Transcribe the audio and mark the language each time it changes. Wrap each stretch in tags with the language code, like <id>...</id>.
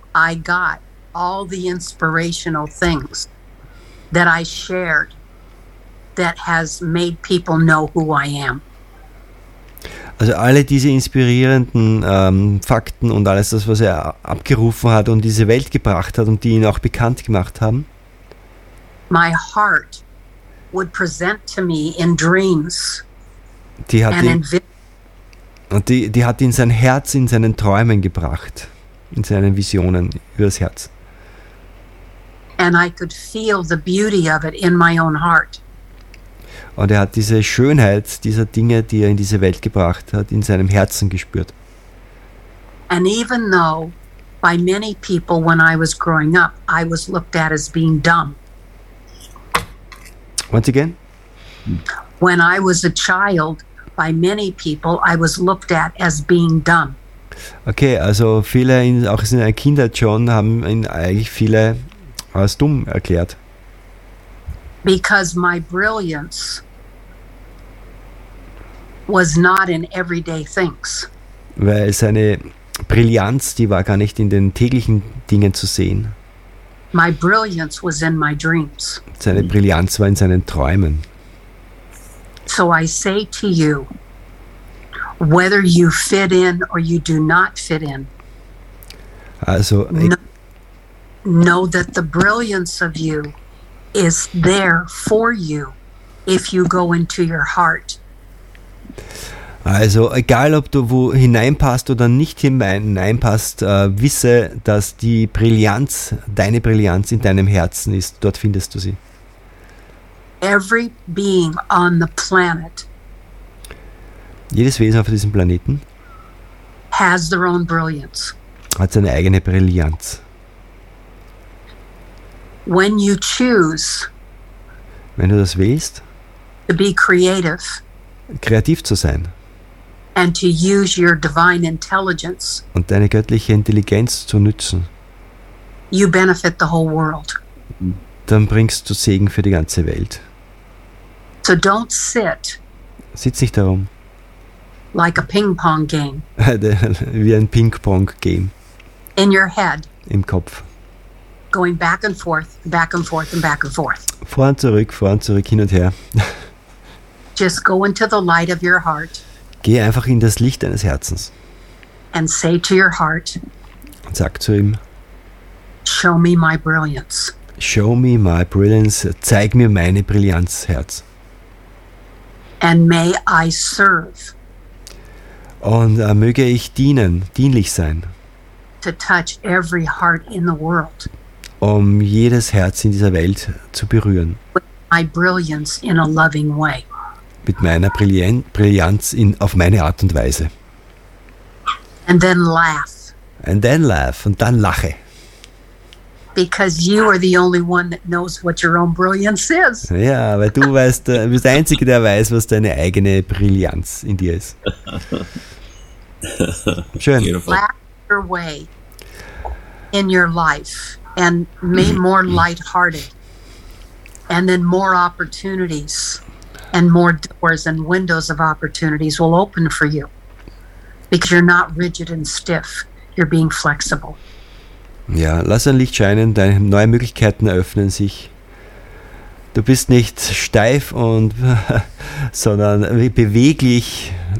<en>I got all the inspirational things that I shared that has made people know who I am.</en> <de>Also alle diese inspirierenden Fakten und alles das, was er abgerufen hat und diese Welt gebracht hat und die ihn auch bekannt gemacht haben.</de> <en>My heart would present to me in dreams.</en> <de>Die hat ihn sein Herz in seinen Träumen gebracht, in seinen Visionen übers Herz.</de> <en>And I could feel the beauty of it in my own heart.</en> <de>Und er hat diese Schönheit dieser Dinge, die er in diese Welt gebracht hat, in seinem Herzen gespürt.</de> <en>And even though by many people when I was growing up, I was looked at as being dumb. Once again? When I was a child, by many people, I was looked at as being dumb.</en> <de>Okay, also viele, auch in der Kindheit schon, haben ihn eigentlich viele als dumm erklärt.</de> <en>Because my brilliance was not in everyday things.</en> <de>Weil seine Brillanz, die war gar nicht in den täglichen Dingen zu sehen.</de> <en>My brilliance was in my dreams.</en> <de>Seine Brillanz war in seinen Träumen.</de> <en>So I say to you, whether you fit in or you do not fit in,</en> <de>also,</de> <en>know that the brilliance of you is there for you if you go into your heart.</en> <de>Also egal, ob du wo hineinpasst oder nicht hineinpasst, wisse, dass die Brillanz, deine Brillanz in deinem Herzen ist. Dort findest du sie.</de> <en>Every being on the planet,</en> <de>jedes Wesen auf diesem Planeten</de> <en>has their own brilliance.</en> <de>Hat seine eigene Brillanz.</de> <en>when you choose,</en> <de>wenn du das willst,</de> <en>to be creative,</en> <de>kreativ zu sein,</de> <en>and to use your divine intelligence,</en> <de>und deine göttliche Intelligenz zu nutzen,</de> <en>you benefit the whole world.</en> <de>Dann bringst du Segen für die ganze Welt.</de> <en>So don't sit.</en> <de>Sitz nicht darum.</de> <en>Like a ping pong game.</en> <de>Wie ein Ping Pong Game.</de> <en>In your head.</en> <de>Im Kopf.</de> <en>Going back and forth, back and forth and back and forth.</en> <de>Vor und zurück, hin und her.</de> <en>Just go into the light of your heart.</en> <de>Geh einfach in das Licht deines Herzens.</de> <en>And say to your heart.</en> <de>Und sag zu ihm.</de> <en>Show me my brilliance. Show me my brilliance.</en> <de>Zeig mir meine Brillanz, Herz.</de> <en>And may I serve.</en> <de>Und möge ich dienen, dienlich sein.</de> <en>To touch every heart in the world.</en> <de>Um jedes Herz in dieser Welt zu berühren.</de> <en>With my brilliance in a loving way.</en> <de>Mit meiner Brillanz in, auf meine Art und Weise.</de> <en>And then laugh. And then laugh.</en> <de>Und dann lache.</de> <en>Because you are the only one that knows what your own brilliance is.</en> <de>Ja, weil du weißt, du bist der Einzige, der weiß, was deine eigene Brillanz in dir ist. Schön.</de> <en>Laugh your way in your life and be more lighthearted and then more opportunities and more doors and windows of opportunities will open for you because you're not rigid and stiff. You're being flexible.</en> <de>Ja, lass ein Licht scheinen, deine neue Möglichkeiten eröffnen sich. Du bist nicht steif und sondern beweglich.</de>